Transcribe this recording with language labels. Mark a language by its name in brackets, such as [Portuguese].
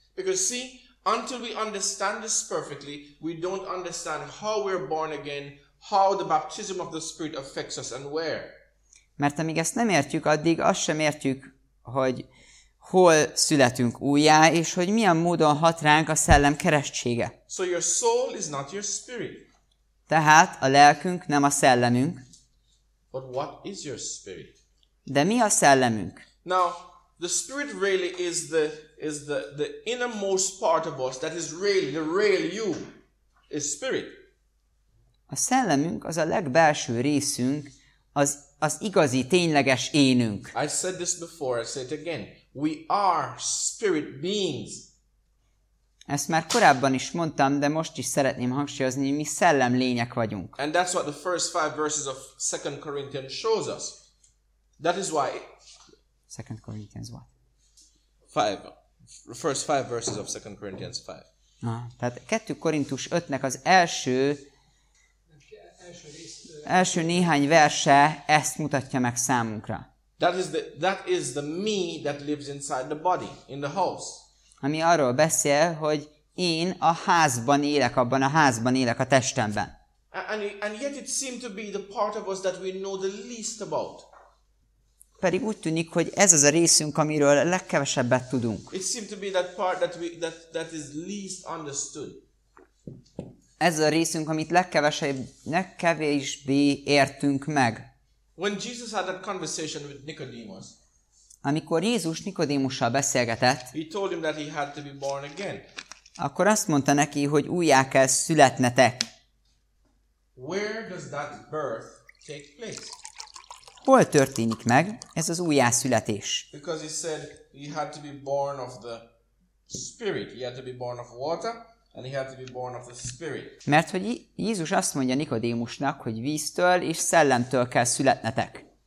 [English] Because see, until we understand this perfectly, we don't understand how we're born again, how the baptism of the Spirit affects us and where. [Hungarian] Mert amíg ezt nem értjük, addig azt sem értjük, hogy hol születünk újjá, és hogy milyen módon hat ránk a szellem keresztsége. [English] So your soul is not your spirit. [Hungarian] Tehát a lelkünk nem a szellemünk. [English] But what is your spirit? [Hungarian] De mi a szellemünk? [English] Now, the spirit really is the innermost part of us that is really the real you is spirit. [Hungarian] A szellemünk az a legbelső részünk, az igazi tényleges énünk. [English] I said this before, I say it again. We are spirit beings. [Hungarian] Ezt már korábban is mondtam, de most is szeretném hangsúlyozni, hogy mi szellem lények vagyunk. [English] And that's what the first five verses of 2 Corinthians shows us. That is why 2 Corinthians what? Five. First five verses of 2 Corinthians 5. [Hungarian] Tehát 2 Korintus 5-nek az első néhány verse ezt mutatja meg számunkra. [English] That is the me that lives inside the body, in the house. [Hungarian] Ami arról beszél, hogy én a házban élek, abban a házban élek a testemben. [English] And yet it seemed to be the part of us that we know the least about. [Hungarian] Pedig úgy tűnik, hogy ez az a részünk, amiről a legkevesebbet tudunk. [English] It seemed to be that part that is least understood. [Hungarian] Ez a részünk, amit legkevésbé értünk meg. [English] When Jesus had that conversation with Nicodemus. [Hungarian] Amikor Jézus Nikodémussal beszélgetett, [English] he told him that he had to be born again. [Hungarian] Akkor azt mondta neki, hogy újjá kell születnetek. [English] Where does that birth take place? [Hungarian] Hol történik meg ez az újjászületés? [English] Because he said he had to be born of the spirit. He had to be born of water, and he had to be born of the spirit. [Hungarian] Mert hogy Jézus azt mondja Nikodémusnak, hogy víztől és szellemtől kell születnetek.